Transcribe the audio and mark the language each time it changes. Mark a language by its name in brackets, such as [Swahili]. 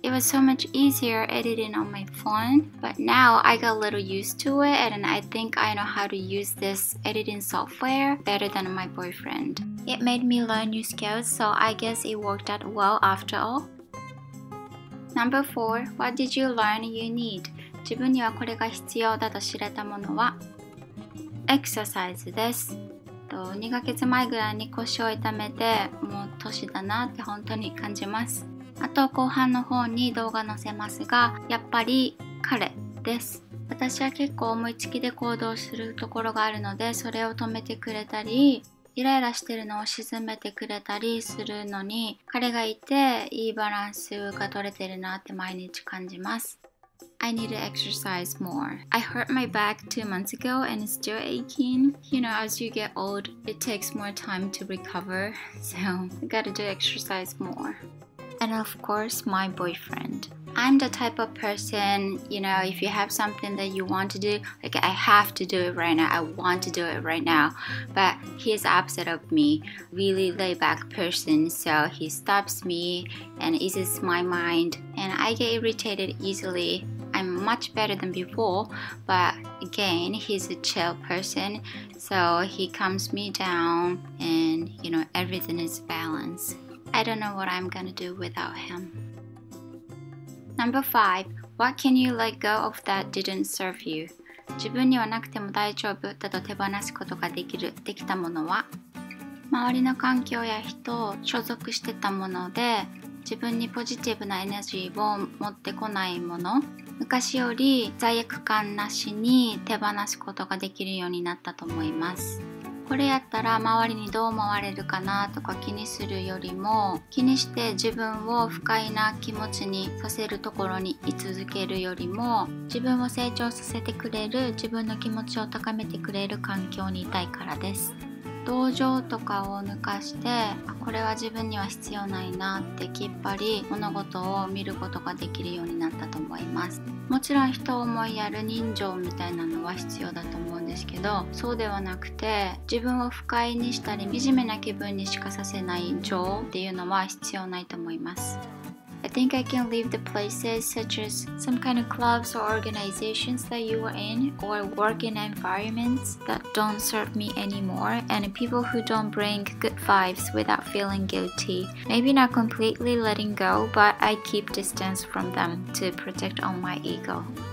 [English] It was so much easier editing on my phone, but now I got a little used to it and I think I know how to use this editing software better than my boyfriend. It made me learn new skills, so I guess it worked out well after all. Number four, what did you learn you need? [Japanese] 自分にはこれが必要だと知れたものは、エクササイズです。 2ヶ月前ぐらいに腰を痛めて、もう年だなって本当に感じます。あと後半の方に動画載せますが、やっぱり彼です。私は結構思いつきで行動するところがあるので、それを止めてくれたり、イライラしてるのを沈めてくれたりするのに、彼がいていいバランスが取れてるなって毎日感じます。 [English] I need to exercise more. I hurt my back 2 months ago and it's still aching. You know, as you get old, it takes more time to recover. So, I gotta do exercise more. And of course, my boyfriend. I'm the type of person, you know, if you have something that you want to do, like I have to do it right now, I want to do it right now. But he's opposite of me, really laid back person. So, he stops me and eases my mind. And I get irritated easily. I'm much better than before, but again, he's a chill person, so he calms me down and, you know, everything is balanced. I don't know what I'm gonna do without him. Number 5. What can you let go of that didn't serve you? [Japanese] 自分にはなくても大丈夫だと手放すことができる、できたものは、周りの環境や人を所属してたもので、自分にポジティブなエネルギーを持ってこないもの、昔より罪悪感なしに手放すことができるようになったと思います。これやったら周りにどう思われるかなとか気にするよりも、気にして自分を不快な気持ちにさせるところに居続けるよりも、自分を成長させてくれる、自分の気持ちを高めてくれる環境にいたいからです。同情とかを抜かして、これは自分には必要ないなってきっぱり物事を見ることができるようになったと思います。もちろん人を思いやる人情みたいなのは必要だと思うんですけど、そうではなくて自分を不快にしたり惨めな気分にしかさせない情っていうのは必要ないと思います。 [English] I think I can leave the places such as some kind of clubs or organizations that you were in or working environments that don't serve me anymore and people who don't bring good vibes without feeling guilty. Maybe not completely letting go, but I keep distance from them to protect all my ego.